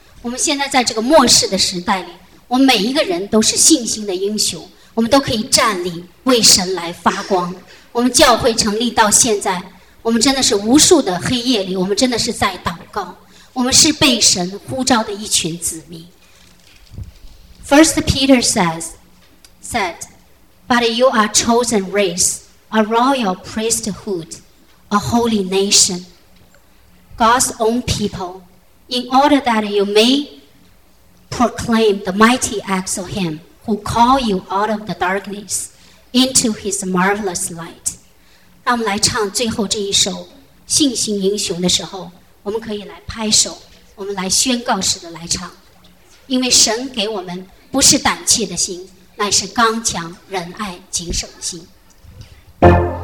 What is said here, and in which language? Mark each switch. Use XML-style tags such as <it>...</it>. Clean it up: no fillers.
<zh>我们现在在这个末世的时代里，我们每一个人都是信心的英雄，我们都可以站立为神来发光。我们教会成立到现在，我们真的是无数的黑夜里，我们真的是在祷告，我们是被神呼召的一群子民。</zh> <en>First Peter said, But you are chosen race, a royal priesthood, a holy nation, God's own people, in order that you may proclaim the mighty acts of him who called you out of the darkness into his marvelous light.</en> <zh>让我们来唱最后这一首信心英雄的时候，我们可以来拍手，我们来宣告式的来唱。因为神给我们不是胆怯的心，乃是刚强仁爱谨守的心。</zh>